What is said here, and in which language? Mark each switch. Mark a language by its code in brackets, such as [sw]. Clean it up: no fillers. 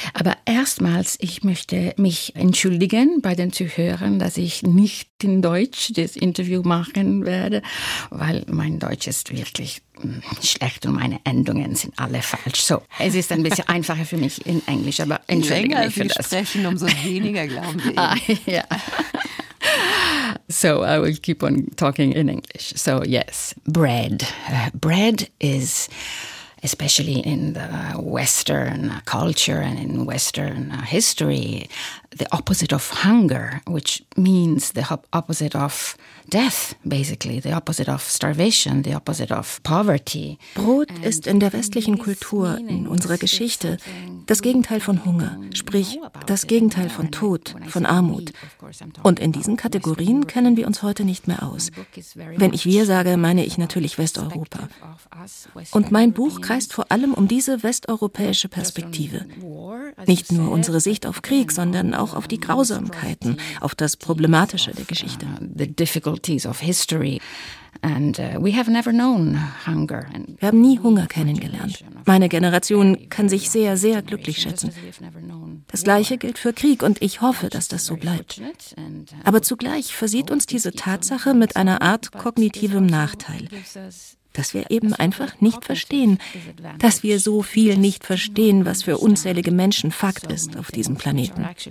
[de] Aber erstmals, ich möchte mich entschuldigen bei den Zuhörern, dass ich nicht in Deutsch das Interview machen werde, weil mein Deutsch ist wirklich schlecht und meine Endungen sind alle falsch. So, es ist ein bisschen einfacher für mich in Englisch, aber entschuldige mich für das. Länger Sie sprechen, umso weniger glauben wir. Ja. [en] So, I will keep on talking in English. So, yes, bread. Bread is, especially in the Western culture and in Western history, the opposite of hunger, which means the opposite of death, basically, the opposite of starvation, the opposite of poverty. [de] Brot ist in der westlichen Kultur, in unserer Geschichte, das Gegenteil von Hunger, sprich das Gegenteil von Tod, von Armut. Und in diesen Kategorien kennen wir uns heute nicht mehr aus. Wenn ich wir sage, meine ich natürlich Westeuropa. Und mein Buch kreist vor allem um diese westeuropäische Perspektive. Nicht nur unsere Sicht auf Krieg, sondern auch auf die Grausamkeiten, auf das Problematische der Geschichte. [en] The difficulties of history. And we have never known hunger. [de] Wir haben nie Hunger kennengelernt. Meine Generation kann sich sehr, sehr glücklich schätzen. Das Gleiche gilt für Krieg und ich hoffe, dass das so bleibt. Aber zugleich versieht uns diese Tatsache mit einer Art kognitivem Nachteil, dass wir eben einfach nicht verstehen, dass wir so viel nicht verstehen, was für unzählige Menschen Fakt ist auf diesem Planeten.